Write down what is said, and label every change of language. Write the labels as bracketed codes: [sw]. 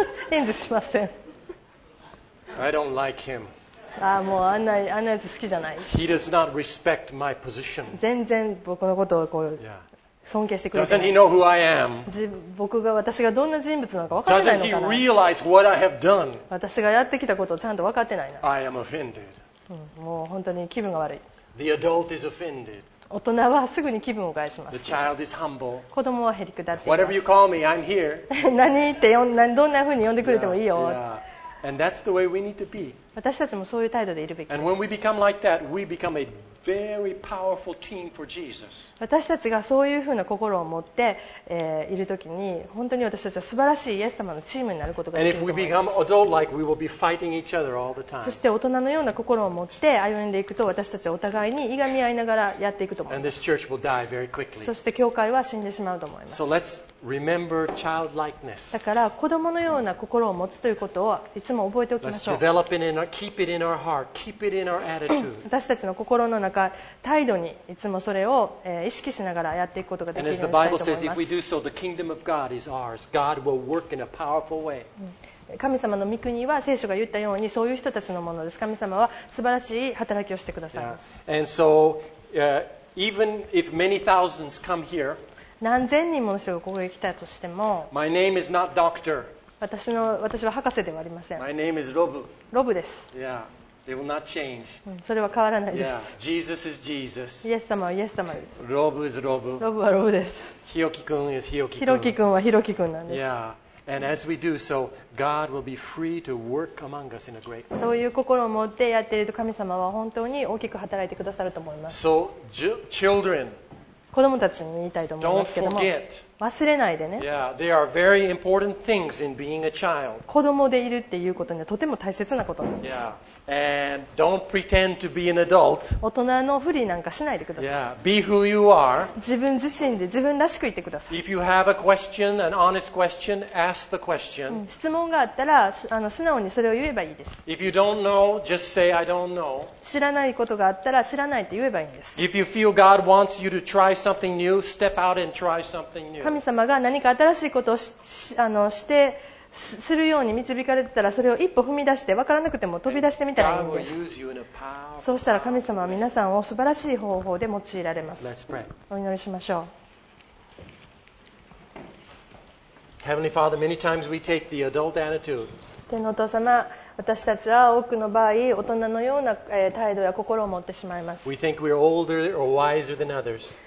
[ja] 返事しません。 [en] I don't like him. [ja] ああ、もうあんなやつ好きじゃない。 [en] He does not respect my position. [ja] 全然僕のことをこう尊敬してくれない。 [en] Doesn't he know who I am? [ja] 僕が私がどんな人物なのか分からないのかな。 [en] Doesn't he realize what I have done? [ja] 私がやってきたことをちゃんと分かってないな。 [en] I am offended. [ja] もう本当に気分が悪い。 [en] The adult is offended. [ja] 大人はすぐに気分を害します。 [en] The child is humble. [ja] 子供はへりくだっています。 [en] Whatever you call me, I'm here. [ja] 何って呼んどんな風に呼んでくれてもいいよ。 [en] Yeah, yeah. And that's the way we need to be. [ja] 私たちもそういう態度でいるべきです。 [en] And when we become like that, we become a very powerful team for Jesus. [ja] 私たちがそういうふうな心を持って、いるときに本当に私たちは素晴らしいイエス様のチームになることができると思います。 [en] And if we become adult-like, we will be fighting each other all the time. [ja] そして大人のような心を持って歩んでいくと私たちはお互いにいがみ合いながらやっていくと思います。 [en] And this church will die very quickly. [ja] そして教会は死んでしまうと思います。 [en] So let's remember childlikeness. [ja] だから子供のような心を持つということをいつも覚えておきましょう。 [en] Let's develop it in our, keep it in our heart, keep it in our attitude. [ja] 私たちの心の中態度にいつもそれを意識しながらやっていくことができるようにしたいと思います。 [en] And as the Bible says, if we do so, the kingdom of God is ours. God will work in a powerful way. [ja] 神様の御国は聖書が言ったようにそういう人たちのものです。神様は素晴らしい働きをしてくださいます。 [en] Yeah. And so, even if many thousands come here, [ja] 何千人もの人がここへ来たとしても、 [en] My name is not doctor. [ja] 私は博士ではありません。 [en] My name is Robu. [ja] ロブです。 [en] Yeah. It will not change. [ja] それは変わらないです。 [en] Yeah. Jesus is Jesus. [ja] イエス様はイエス様です。 [en] Robu is Robu. [ja] ロブはロブです。 [en] Hiroki 君 is Hiroki 君。 [ja] Hiroki 君は Hiroki 君なんです。 [en] Yeah. And as we do so, God will be free to work among us in a great way. [ja] そういう心を持ってやっていると神様は本当に大きく働いてくださると思います。 [en] So, children. [ja] 子供たちに言いたいと思いますけども。 [en] Don't forget. [ja] 忘れないでね。 [en] Yeah, there are very important things in being a child. [ja] 子供でいるっていうことにはとても大切なことなんです。 [en] Yeah. And don't pretend to be an adult. [ja] 大人のふりなんかしないでください。 [en] Yeah. Be who you are. [ja] 自分自身で自分らしくいてください。 [en] If you have a question, an honest question, ask the question. [ja] 質問があったら素直にそれを言えばいいです。 [en] If you don't know, just say I don't know. [ja] 知らないことがあったら知らないって言えばいいんです。 [en] If you feel God wants you to try something new, step out and try something new. [ja] 神様が何か新しいことを してするように導かれてたらそれを一歩踏み出して分からなくても飛び出してみたらいいんです。そうしたら神様は皆さんを素晴らしい方法で用いられます。お祈りしましょう。 [en] Heavenly Father, many times we take the adult attitude. [ja] 天のお父様、私たちは多くの場合大人のような態度や心を持ってしまいます。 [en] We think we're older or wiser than others.